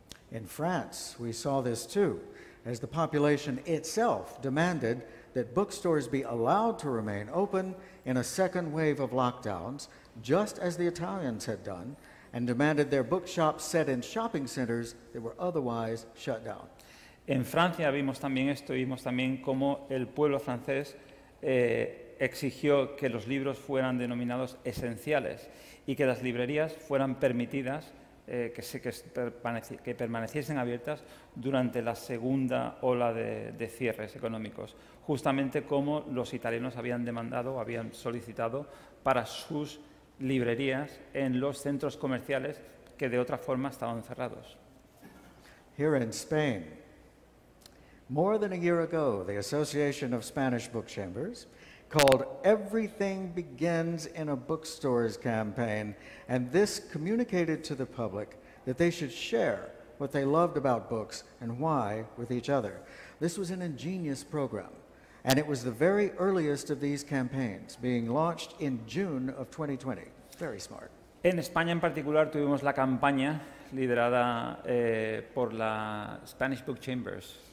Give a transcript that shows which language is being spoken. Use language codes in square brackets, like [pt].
[en] In France, we saw this too, as the population itself demanded that bookstores be allowed to remain open in a second wave of lockdowns, just as the Italians had done, and demanded their bookshops set in shopping centers that were otherwise shut down. [es] En Francia vimos también esto, vimos también cómo el pueblo francés exigió que los libros fueran denominados esenciales y que las librerías fueran permitidas que permaneciesen abiertas durante la segunda ola de cierres económicos, justamente como los italianos habían demandado o habían solicitado para sus librerías en los centros comerciales que de otra forma estaban cerrados. [en] Here in Spain, more than a year ago, the Association of Spanish Book Chambers called Everything Begins in a Bookstore's campaign, and this communicated to the public that they should share what they loved about books and why with each other. This was an ingenious program, and it was the very earliest of these campaigns, being launched in June of 2020. Very smart. [es] En España en particular tuvimos la campaña liderada por la Spanish Book Chambers.